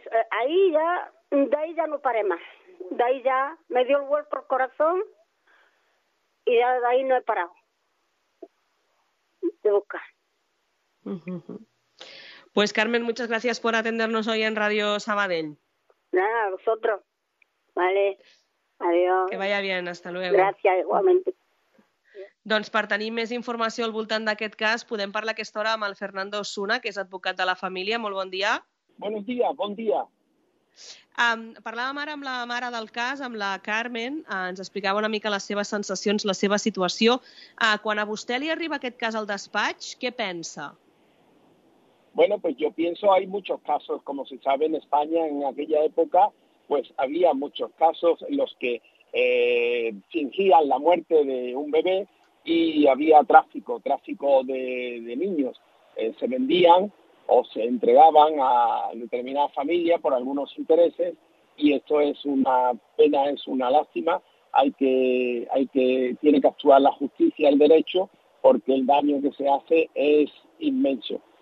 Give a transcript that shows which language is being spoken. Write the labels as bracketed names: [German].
[Spanish] Ahí ya, de ahí ya no paré más. De ahí ya me dio el vuelco el corazón y ya de ahí no he parado de buscar. Pues Carmen, muchas gracias por atendernos hoy en Radio Sabadell. Nada, a vosotros. Vale, adiós. Que vaya bien, hasta luego. Gracias, igualmente. [Catalan] Doncs per tenir més informació al voltant d'aquest cas, podem parlar aquesta hora amb el Fernando Osuna, que és advocat de la família. Molt bon dia. [Spanish] Buenos días, [Catalan] bon dia. Parlàvem ara amb la mare del cas, amb la Carmen, ens explicava una mica les seves sensacions, la seva situació. Quan a vostè li arriba aquest cas al despatx, què pensa? [Spanish] Bueno, pues yo pienso, hay muchos casos, como se sabe en España en aquella época, pues había muchos casos en los que fingían la muerte de un bebé y había tráfico de niños, se vendían o se entregaban a determinadas familias por algunos intereses, y esto es una pena, es una lástima, tiene que actuar la justicia, el derecho, porque el daño que se hace es inmenso.